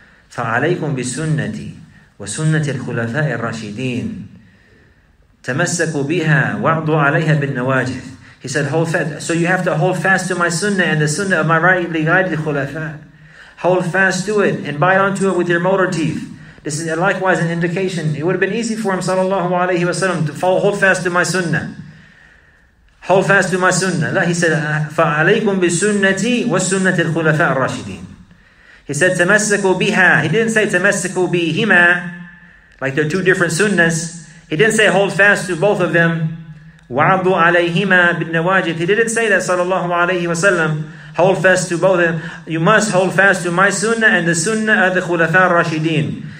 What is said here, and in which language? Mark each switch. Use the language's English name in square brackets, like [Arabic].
[Arabic] فَعَلَيْكُمْ بِسُنَّتِي وَسُنَّةِ الْخُلَفَاءِ الرَّشِدِينَ تَمَسَّكُوا بِهَا وَعْضُوا عَلَيْهَا بِالنَّوَاجِثِ. [English] He said, hold fast. So you have to hold fast to my sunnah and the sunnah of my rightly guided khulafa. Hold fast to it and bite onto it with your molar teeth. This is likewise an indication. It would have been easy for him, sallallahu alayhi wa sallam, to hold fast to my sunnah. Hold fast to my sunnah. He said, [Arabic] فَعَلَيْكُمْ بِسُنَّتِي وَسُنَّةِ الْخُلَفَاءِ الرَّاشِدِينَ. [English] He said, [Arabic] تَمَسَّكُوا بِهَا. [English] He didn't say, [Arabic] تَمَسَّكُوا بِهِمَا. [English] Like they're two different sunnahs. He didn't say, hold fast to both of them. [Arabic] وَعَضُوا عَلَيْهِمَا بِالنَّوَاجِثِ. [English] He didn't say that, sallallahu alayhi wa sallam. Hold fast to both of them. You must hold fast to my sunnah and the sunnah of the Khulafa al-Rashidin.